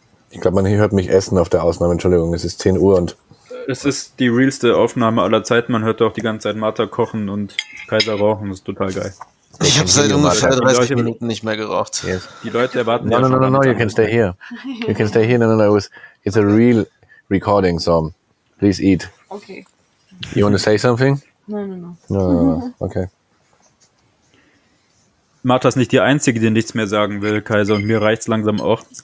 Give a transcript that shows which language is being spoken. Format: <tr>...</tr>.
<de>Ich glaube, man hört mich essen auf der Ausnahme. Entschuldigung, es ist 10 Uhr und... Es ist die realste Aufnahme aller Zeiten. Man hört auch die ganze Zeit Martha kochen und Kaiser rauchen. Das ist total geil. Ich habe seit ungefähr 30 Minuten nicht mehr geraucht.</de> <en>Yes.</en> <de>Die Leute erwarten...</de> <en>No, you can stay here. You can stay here. No, it's a real recording, so please eat. Okay. You want to say something? No. Okay.</en> <de>Martha ist nicht die Einzige, die nichts mehr sagen will, Kaiser. Und mir reicht's langsam auch.</de>